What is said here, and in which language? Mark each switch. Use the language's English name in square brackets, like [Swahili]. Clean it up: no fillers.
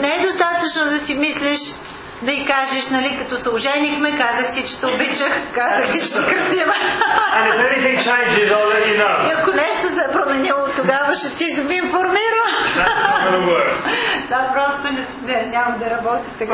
[Bulgarian] Не е достатъчно да си мислиш, да й кажеш, нали, като се оженихме, казах ти, че те обичах, казах ти, че си красива. [English] And if anything changes, I'll let you know. [Bulgarian] И ако нещо се е променило, тогава ще ти ми информира. [English] That's not gonna work. [Bulgarian] Това просто няма да работи така.